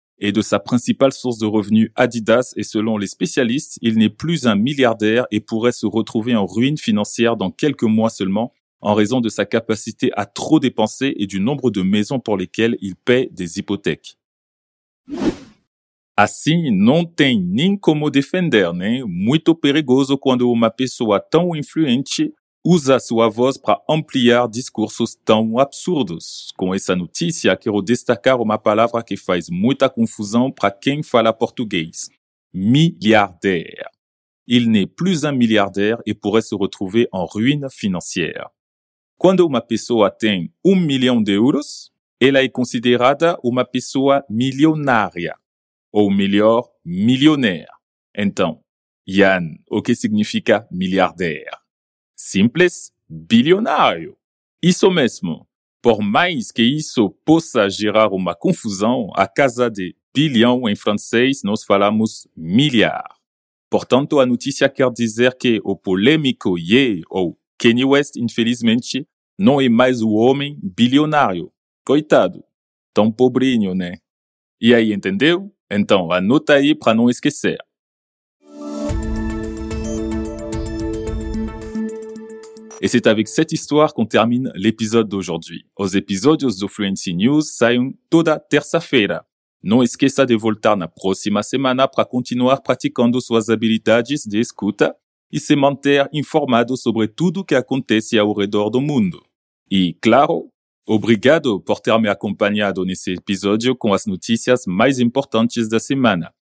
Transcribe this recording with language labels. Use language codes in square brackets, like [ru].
[fr] et de sa principale source de revenus Adidas et selon les spécialistes, il n'est plus un milliardaire et pourrait se retrouver en ruine financière dans quelques mois seulement en raison de sa capacité à trop dépenser et du nombre de maisons pour lesquelles il paie des hypothèques. [pt] Assim, não tem nem como defender, né? Muito perigoso quando uma pessoa tão influente usa sua voz para ampliar discursos tão absurdos. Com essa notícia, quero destacar uma palavra que faz muita confusão para quem fala português. [fr] Milliardaire. Il n'est plus un milliardaire et pourrait se retrouver en ruine financière. [pt] Quando uma pessoa tem 1 milhão de euros, ela é considerada uma pessoa milionária. Ou melhor, milionaire. Então, Yann, o que significa milliardaire? Simples, bilionário. Isso mesmo. Por mais que isso possa gerar uma confusão, a casa de bilhão em francês nós falamos milhard. Portanto, a notícia quer dizer que o polêmico Ye, ou Kanye West, infelizmente, não é mais o homem bilionário. Coitado. Tão pobrinho, né? E aí, entendeu? Então, anota aí para não esquecer. [fr] E c'est avec cette histoire qu'on termine l'épisode d'aujourd'hui. [pt] Os episódios do Fluency News saem toda terça-feira. Não esqueça de voltar na próxima semana para continuar praticando suas habilidades de escuta e se manter informado sobre tudo o que acontece ao redor do mundo. E, claro, obrigado por ter me acompanhado nesse episódio com as notícias mais importantes da semana.